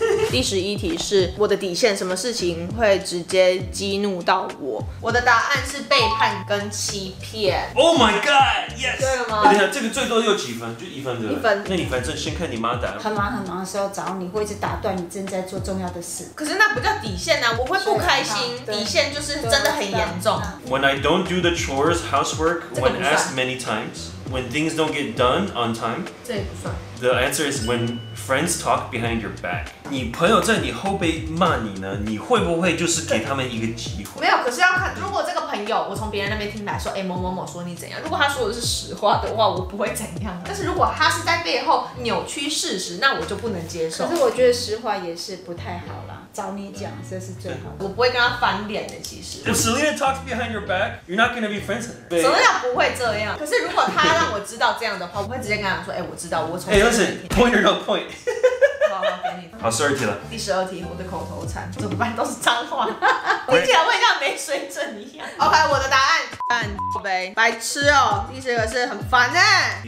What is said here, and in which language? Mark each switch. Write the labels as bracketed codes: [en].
[zh] 第十一题是我的底线，什么事情会直接激怒到我？我的答案是背叛跟欺骗。 [en] Oh my god, yes。 [zh] 对了吗？等一下，这个最多有几分？就一分对不对？一分。那你反正先看你妈答案。很忙很忙的时候找你，会一直打断你正在做重要的事。可是那不叫底线啊，我会不开心。底线就是真的很严重。 [en] When I don't do the chores, housework, when asked many times. When things don't get done on time, [zh] 这也不算。 [en] The answer is when friends talk behind your back. [zh] 你朋友在你后背骂你呢，你会不会就是给他们一个机会？没有，可是要看，如果这个朋友我从别人那边听来说，哎，某某某说你怎样，如果他说的是实话的话，我不会怎样。但是如果他是在背后扭曲事实，那我就不能接受。可是我觉得实话也是不太好啦，找你讲这是最好的。我不会跟他翻脸的，其实。 [en] If Selena talks behind your back, you're not gonna be friends with her. [zh] Selena 不会这样。可是如果他让我知道这样的话，我会直接跟他说，哎，我知道，我从。 [en] Hey, listen, point or no point. [zh] 好好，给你。好，十二题了。第十二题，我的口头禅怎么办？都是脏话。你竟然会像没水准一样。 OK, 我的答案。白痴哦，第十个是很烦哎。